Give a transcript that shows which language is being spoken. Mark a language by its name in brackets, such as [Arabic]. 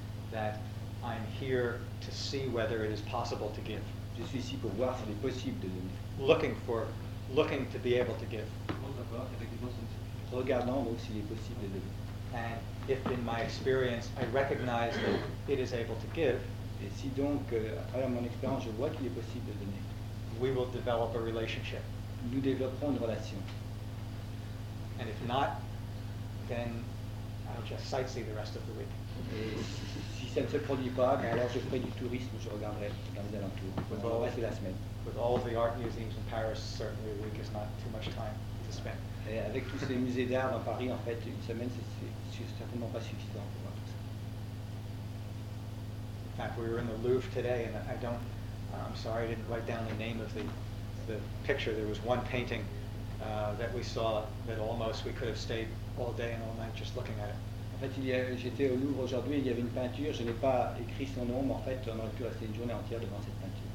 [English] That I'm here to see whether it is possible to give. [French] Je suis ici pour voir s'il est possible de donner. [English] Looking to be able to give. [French] Regardant donc s'il est possible de donner. [English] And if in my experience I recognize that it is able to give, [French] et si donc à travers mon expérience je vois qu'il est possible de donner, [English] we will develop a relationship. [French] Nous développerons une relation. [English] And if not, then I'll just sightsee the rest of the week. [French] Et si ça ne se produit pas, alors je ferai du tourisme, je regarderai dans les alentours. [English] With [French] le reste de la semaine. [English] With all the art museums in Paris, certainly a week is not too much time to spend. [French] Et avec tous ces musées d'art en Paris, en fait, une semaine, c'est certainement pas suffisant pour moi. [English] In fact, we were in the Louvre today, and I don't, I'm sorry, I didn't write down the name of the picture. There was one painting that we saw that almost we could have stayed all day and all night just looking at it. [French] En fait, j'étais au Louvre aujourd'hui, il y avait une peinture, je n'ai pas écrit son nom, mais en fait, on aurait pu rester une journée entière devant cette peinture.